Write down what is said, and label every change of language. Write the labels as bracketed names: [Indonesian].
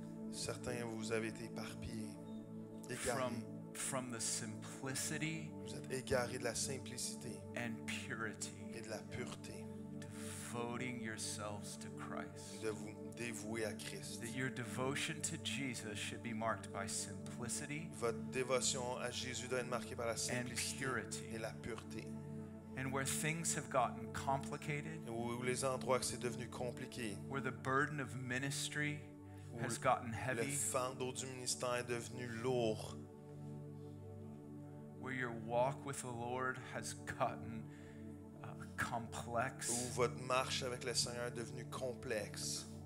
[French] Certains vous avez été éparpillés, égarés. [English] From the simplicity, [French] vous êtes égaré de la simplicité, [English] and purity, [French] et de la pureté, [English] devoting yourselves to Christ, [French] de vous dévouer à Christ. [English] That your devotion to Jesus should be marked by simplicity, [French] votre dévotion à Jésus doit être marquée par la simplicité, [English] and purity, [French] et la pureté. [English] And where things have gotten complicated, [French] où les endroits que c'est devenu compliqué, [English] where the burden of ministry has gotten heavy, [French] le fardeau du ministère est devenu lourd. [English] Where your walk with the Lord has gotten complex. [French] Où votre marche avec le Seigneur est devenue complexe.